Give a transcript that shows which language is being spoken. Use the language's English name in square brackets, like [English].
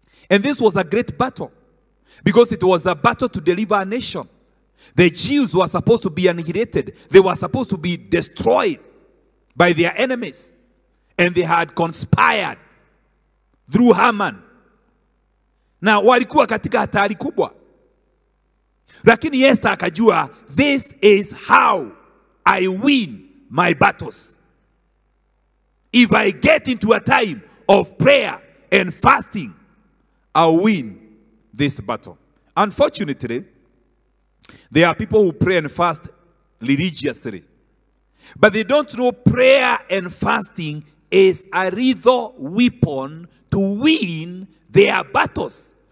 [English] And this was a great battle, because it was a battle to deliver a nation. The Jews were supposed to be annihilated. They were supposed to be destroyed by their enemies. And they had conspired through Haman. [Swahili] Na walikuwa katika hatari kubwa. Lakini Esther akajua, [English] this is how I win my battles. If I get into a time of prayer and fasting, I'll win this battle. Unfortunately, there are people who pray and fast religiously, but they don't know prayer and fasting is a lethal weapon to win their battles.